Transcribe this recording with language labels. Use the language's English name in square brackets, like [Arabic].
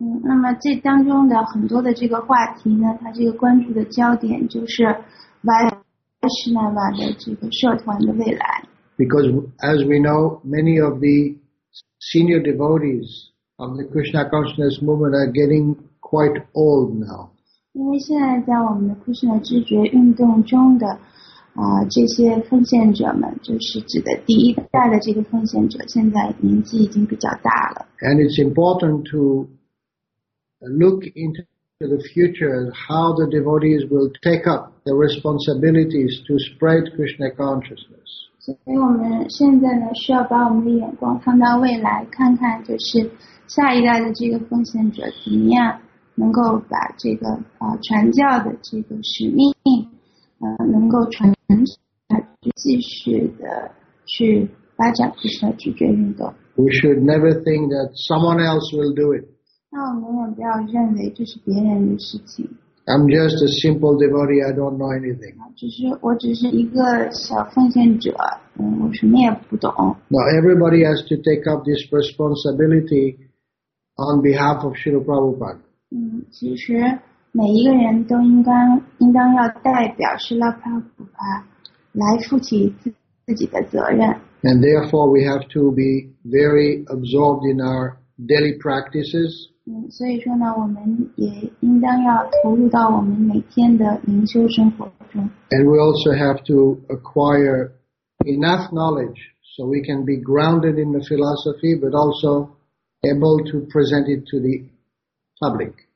[Chinese] 那么这当中的很多的这个话题呢，它这个关注的焦点就是 Vaishnava 的这个社团的未来。 [English] Because as we know, many of the senior devotees of the Krishna Consciousness Movement are getting quite old now. [Chinese] 因为现在在我们的 Krishna 知觉运动中的这些奉献者们，就是指的第一代的这个奉献者，现在年纪已经比较大了。 [English] And it's important to look into the future how the devotees will take up the responsibilities to spread Krishna consciousness. [Chinese] 所以我们现在呢，需要把我们的眼光放到未来，看看就是下一代的这个奉献者怎么样。能够把这个传教的这个使命能够传继续的去发展这个主角运动。 [English] We should never think that someone else will do it. [Chinese] 那我们也不要认为这是别人的事情。 [English] I'm just a simple devotee, I don't know anything. [Chinese] 我只是一个小奉献者，我什么也不懂。 [English] Now everybody has to take up this responsibility on behalf of Srila Prabhupada. [Chinese] 其实每一个人都应当要代表Srila Prabhupada 来负起自己的责任。 [English] And therefore we have to be very absorbed in our daily practices. [Chinese] 所以说呢，我们也应当要投入到我们每天的灵修生活中。 [English] And we also have to acquire enough knowledge so we can be grounded in the philosophy, but also able to present it to the public.